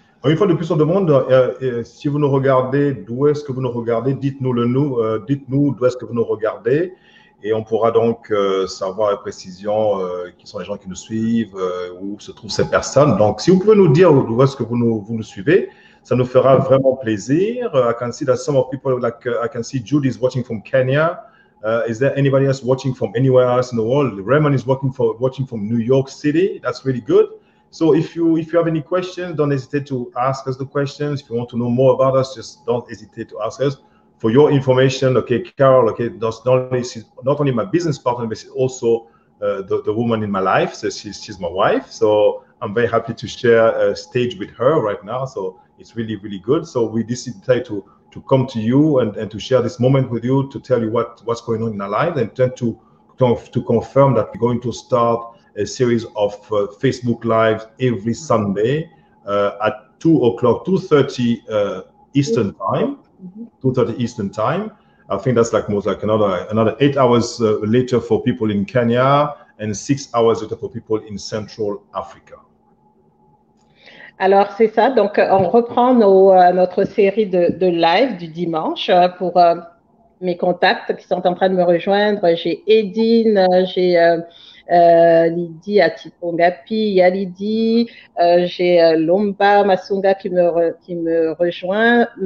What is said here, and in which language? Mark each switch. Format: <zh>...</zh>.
<fr>Une fois de plus, on demande, si vous nous regardez, d'où est-ce que vous nous regardez, dites-nous d'où est-ce que vous nous regardez, et on pourra donc savoir avec précision qui sont les gens qui nous suivent, où se trouvent ces personnes. Donc, si vous pouvez nous dire d'où est-ce que vous nous suivez, ça nous fera vraiment plaisir.</fr> <en>I can see that some of people, like, I can see Jude is watching from Kenya. Is there anybody else watching from anywhere else in the world? Raymond is watching from New York City. That's really good. So if you have any questions, don't hesitate to ask us the questions. If you want to know more about us, just don't hesitate to ask us. For your information, okay, Carol, okay, that's not only my business partner, but she's also the woman in my life. So she's my wife. So I'm very happy to share a stage with her right now. So it's really, really good. So we decided to come to you and to share this moment with you to tell you what's going on in my life and then to confirm that we're going to start a series of Facebook Live every Sunday at 2 o'clock, 2:30 Eastern time, 2:30 Eastern time. I think that's like another 8 hours later for people in Kenya and 6 hours later for people in Central Africa.</en> <fr>Alors, c'est ça. Donc, on reprend notre série de live du dimanche pour mes contacts qui sont en train de me rejoindre. J'ai Edine, j'ai Lydie Atikongapi, Yalidi, j'ai Lomba Masunga qui me rejoint.</fr>